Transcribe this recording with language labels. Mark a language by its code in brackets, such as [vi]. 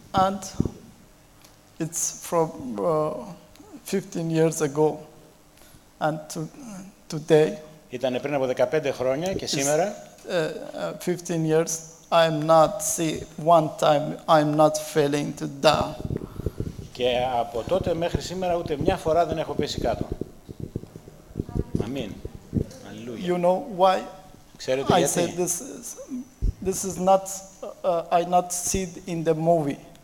[en] And it's from 15 years ago and today. [el] Ήταν πριν από 15 χρόνια και σήμερα. [en] 15 years. I'm not see one time. I'm not failing to die. [el] Και από τότε μέχρι σήμερα ούτε μια φορά δεν έχω πέσει κάτω. Αμήν. Αλληλούια. [en] You know why? [el] Ξέρετε γιατί? [en] I said this is not I not see it in the movie.